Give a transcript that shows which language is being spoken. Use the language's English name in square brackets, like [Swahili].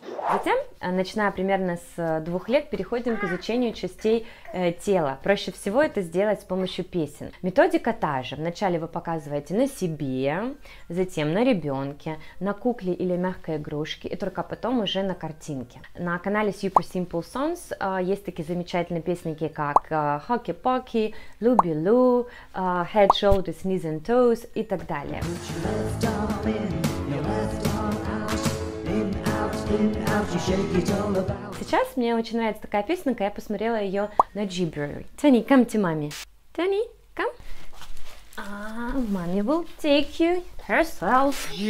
[Russian] Затем, начиная примерно с 2 лет, переходим к изучению частей тела. Проще всего это сделать с помощью песен. Методика та же. Вначале вы показываете на себе, затем на ребенке, на кукле или мягкой игрушке, и только потом уже на картинке. На канале Super Simple Songs есть такие замечательные песенки, как Hockey Pocky, Looby Loo, Head, Shoulders, Knees and Toes и так далее. Сейчас мне очень нравится такая песенка, я посмотрела ее на Gibberish. [English] Tony, come to mommy. Tony, come. Mommy will take you herself.